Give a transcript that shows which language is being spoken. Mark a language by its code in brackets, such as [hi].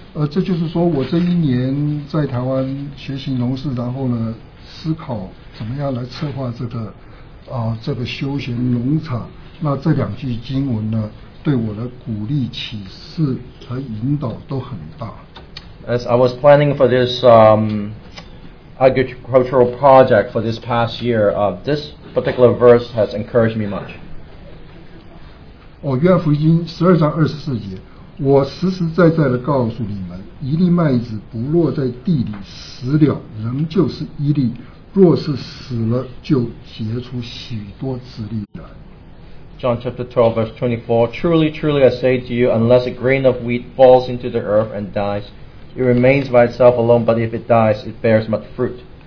[zh] 这就是说我这一年在台湾学习农事，然后呢思考怎么样来策划这个休闲农场。那这两句经文呢，对我的鼓励、启示和引导都很大。 [en] As I was planning for this agricultural project for this past year, this particular verse has encouraged me much. [zh] 哦，约翰福音12:24，我实实在在的告诉你们，一粒麦子不落在地里死了，仍旧是一粒；若是死了，就结出许多子粒来。 [en] John chapter 12 verse 24, truly, truly I say to you, unless a grain of wheat falls into the earth and dies, it remains by itself alone, but if it dies, it bears much fruit.